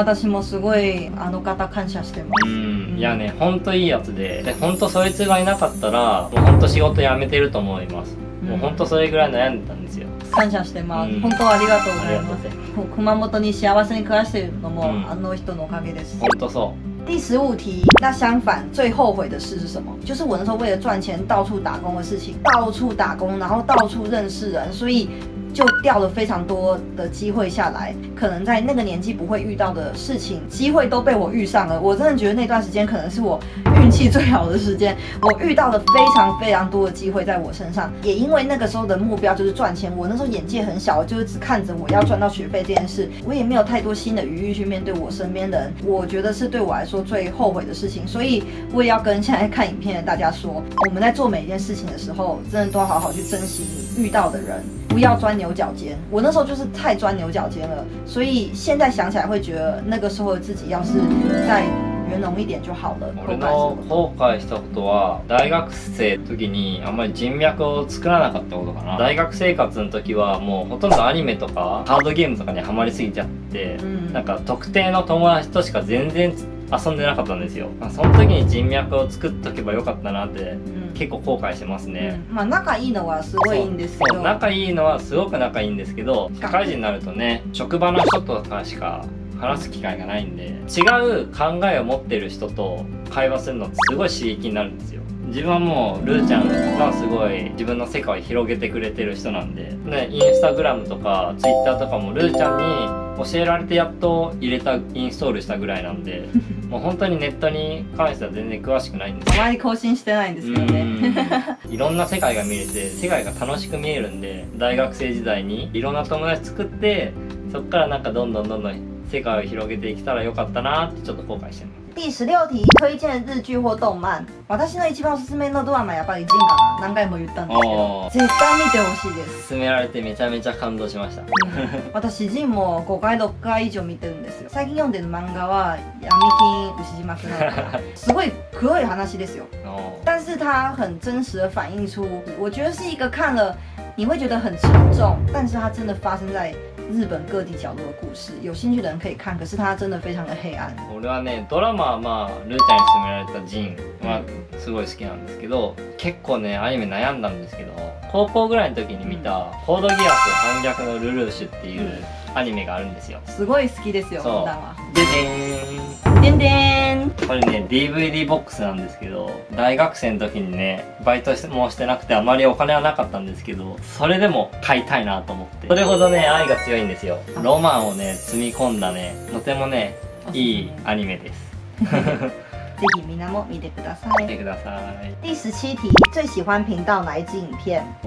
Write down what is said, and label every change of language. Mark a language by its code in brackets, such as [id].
[ja] 私もすごいあの方感謝してます。いやね、ほんといいやつで、でほんとそいつがいなかったらもうほんと仕事辞めてると思います。もうほんとそれぐらい悩んでたんですよ。感謝してます。本当ありがとうございます。熊本に幸せに暮らしてるのもあの人のおかげです。ほんとそう。 [zh] 第十五题，那相反最后悔的事是什么？就是我那时候为了赚钱到处打工的事情，到处打工，然后到处认识人，所以就掉了非常多的机会下来，可能在那个年纪不会遇到的事情机会都被我遇上了。我真的觉得那段时间可能是我运气最好的时间，我遇到了非常非常多的机会在我身上。也因为那个时候的目标就是赚钱，我那时候眼界很小，就是只看着我要赚到学费这件事，我也没有太多新的余裕去面对我身边的人，我觉得是对我来说最后悔的事情。所以我也要跟现在看影片的大家说，我们在做每一件事情的时候真的都要好好去珍惜你遇到的人，不要钻牛角尖。我那时候就是太钻牛角尖了，所以现在想起来会觉得那个时候的自己要是在圆融一点就好了。 [ja] 俺の後悔したことは大学生の時にあんまり人脈を作らなかったことかな。大学生活の時はもうほとんどアニメとかカードゲームとかにハマりすぎちゃって、なんか特定の友達としか全然遊んでなかったんですよ。まあその時に人脈を作っとけばよかったなって結構後悔してますね。まあ仲いいのはすごいいいんですけど、仲いいのはすごく仲いいんですけど、社会人になるとね、職場の人とかしか話す機会がないんで、違う考えを持ってる人と会話するのすごい刺激になるんですよ。自分はもうルーちゃんがすごい自分の世界を広げてくれてる人なんで、ね、インスタグラムとかツイッターとかもルーちゃんに教えられてやっと入れたインストールしたぐらいなんで、もう本当にネットに関しては全然詳しくないんです。あまり更新してないんですけどね。いろんな世界が見れて、世界が楽しく見えるんで、大学生時代にいろんな友達作って、そこからなんかどんどんどんどん世界を広げていけたらよかったなってちょっと後悔してます。 [zh] 第十六题，推荐日剧或动漫。 [ja] 私の一番おすすめのドラマやっぱり銀河な。何回も言ったんですけど、絶対見てほしいです。勧められてめちゃめちゃ感動しました。私銀も5回6回以上見てるんですよ。最近読んでる漫画は闇金牛島くんすごい黒い話ですよ。 [zh] 但是它很真实的反映出，我觉得是一个看了你会觉得很沉重，但是它真的发生在日本各地角落的故事，有兴趣的人可以看。可是它真的非常的黑暗。 [ja] 我はね、ドラマはまあルーちゃんに勧められたジンはすごい好きなんですけど、結構ねアニメ悩んだんですけど、高校ぐらいの時に見たコードギアス反逆のルルーシュっていうアニメがあるんですよ。すごい好きですよ。そう。でデン。デンデン。これね DVD ボックスなんですけど、大学生の時にねバイトもしてなくてあまりお金はなかったんですけど、それでも買いたいなと思って。それほどね愛が強いんですよ。ロマンをね積み込んだね、とてもねいいアニメです。ぜひみんなも見てください。見てください。 [zh] 第十七题，最喜欢频道哪一支影片？